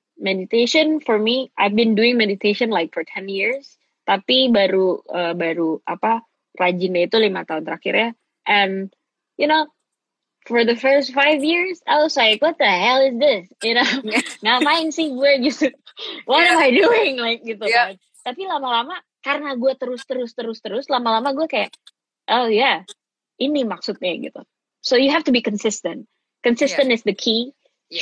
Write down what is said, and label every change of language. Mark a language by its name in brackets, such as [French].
[English] Meditation for me, I've been doing meditation like for 10 years. [Indonesian] Tapi baru rajinnya itu 5 tahun terakhir ya. [English] And, you know, for the first 5 years, I was like, what the hell is this? You know, [Indonesian] ngapain sih gue gitu. [English] What am I doing? Like, [Indonesian] gitu. [English] Yeah. [Indonesian] Tapi lama-lama, karena gue terus, lama-lama gue kayak, [English] oh yeah, [Indonesian] ini maksudnya gitu. [English] So you have to be consistent. Consistent is the key. Yes.